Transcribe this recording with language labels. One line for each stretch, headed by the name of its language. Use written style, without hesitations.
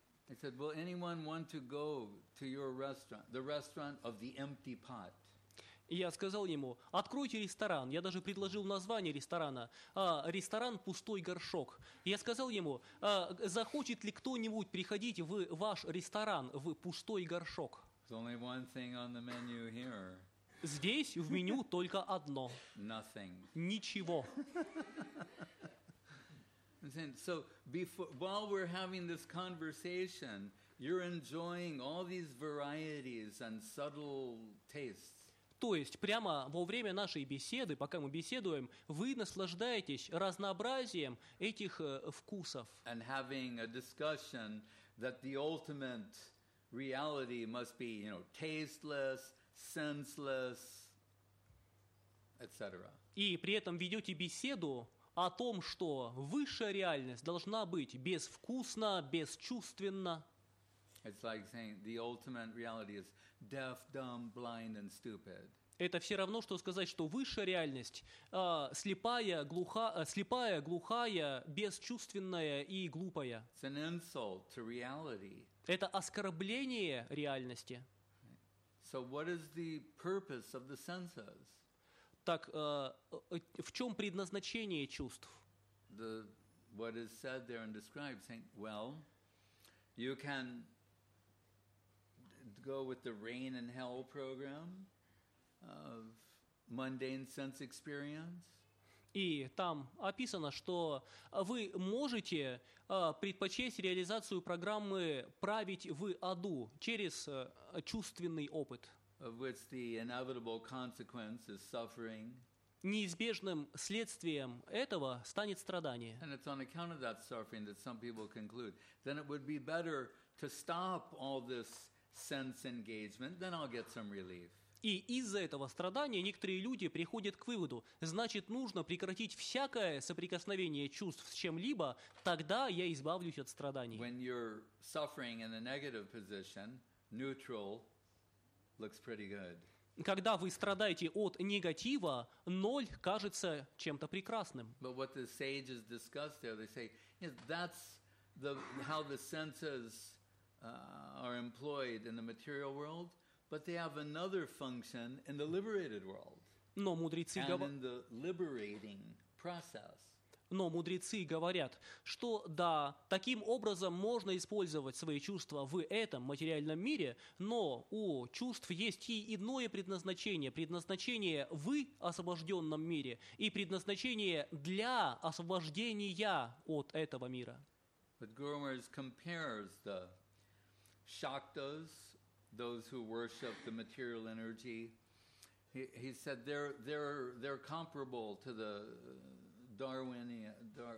English: I said, will anyone want to go to your restaurant, the restaurant of the empty pot?
Russian: Я сказал ему, откройте ресторан. Я даже предложил название ресторана. Ресторан «Пустой горшок». Я сказал ему, захочет ли кто-нибудь приходить в ваш ресторан, в «Пустой горшок»?
English: There's only one thing on the menu here.
Russian: Здесь в меню только одно.
English: Nothing.
Russian: Ничего.
English: So before, while we're having this conversation, you're enjoying all these varieties and subtle tastes.
Russian: То есть прямо во время нашей беседы, пока мы беседуем, вы наслаждаетесь разнообразием этих вкусов.
English: And having a discussion that the ultimate reality must be, you know, tasteless, senseless, etc.
Russian: И при этом ведете беседу о том, что высшая реальность должна быть безвкусна, бесчувственна.
English: It's like saying the ultimate reality is deaf, dumb, blind and stupid.
Russian: Это все равно, что сказать, что высшая реальность слепая, глухая, бесчувственная и глупая.
English: It's an insult to reality.
Russian: Это оскорбление реальности.
English: So what is the purpose of the senses?
Russian: Так в чем предназначение чувств?
English: The, what is said there and described, saying, well, you can go with the rain and hell program of mundane sense experience.
Russian: И там описано, что вы можете предпочесть реализацию программы «Править в аду» через чувственный опыт.
English: Of which the inevitable consequence is suffering.
Russian: Неизбежным следствием этого станет страдание.
English: And it's on account of that suffering that some people conclude, then it would be better to stop all this sense engagement, then I'll get some relief.
Russian: И из-за этого страдания некоторые люди приходят к выводу, значит, нужно прекратить всякое соприкосновение чувств с чем-либо, тогда я избавлюсь от страданий.
English: When you're suffering in a negative position, neutral looks pretty good.
Russian: Когда вы страдаете от негатива, ноль кажется чем-то прекрасным.
English: But what the sages discuss there, they say, yes, that's the, how the senses are employed in the material world. But they have another function in the liberated world.
Russian: Но мудрецы
English: in the liberating process.
Russian: Но мудрецы говорят, что да, таким образом можно использовать свои чувства в этом материальном мире, но у чувств есть и иное предназначение, предназначение в освобожденном мире и предназначение для освобождения от этого мира.
English: But Guru Maharaj compares the shaktas, those who worship the material energy, he said they're comparable to the Darwinians.